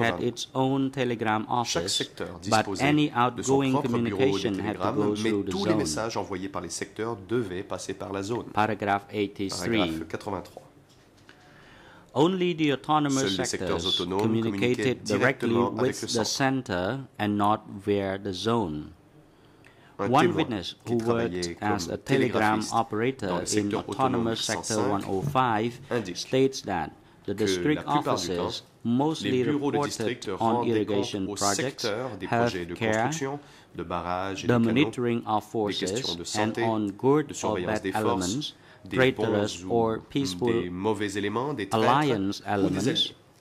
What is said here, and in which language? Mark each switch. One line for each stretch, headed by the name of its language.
English: Had its own telegram office, but any outgoing communication had to go through the
French: tous
English: zone.
French: Les messages envoyés par les secteurs devaient passer par la zone.
English: Paragraph 83. Only the autonomous sectors communicated directly with the center and not via the zone. One witness who worked as a telegram operator in Autonomous Sector 105 states that the district offices mostly reported on irrigation projects, healthcare, the monitoring of forces, and on good or bad elements, traitorous or peaceful alliance elements.